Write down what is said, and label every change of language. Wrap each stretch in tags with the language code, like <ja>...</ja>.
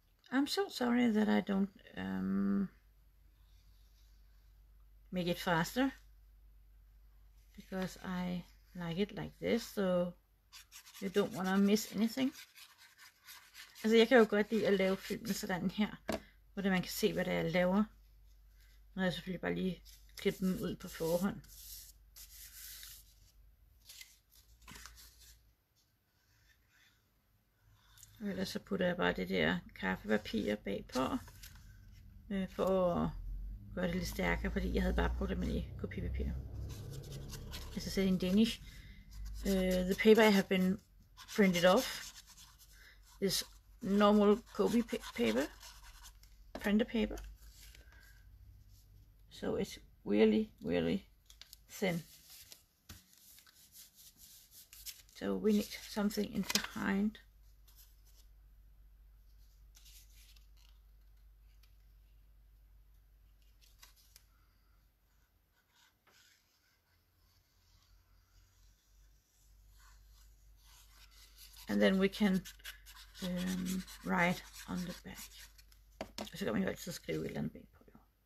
<en>I'm so sorry that I don't make it faster, because I like it like this, so you don't want to miss anything.</en> <da>Altså, jeg kan jo godt lide at lave filmen sådan her, hvor man kan se, hvad det er, jeg laver. Nu har jeg selvfølgelig bare lige klippet dem ud på forhånd. Og ellers så putter jeg bare det der kaffepapir bagpå, for at gøre det lidt stærkere, fordi jeg havde bare brugt det med i kopipapir. Altså sætte en Danish.</da> <en>The paper I have been printed off is normal Kobe paper, printer paper. So it's really, really thin. So we need something in behind. And then we can write on the back.</en> <da>Og så kan man jo altid skrive et eller andet bag på.</da>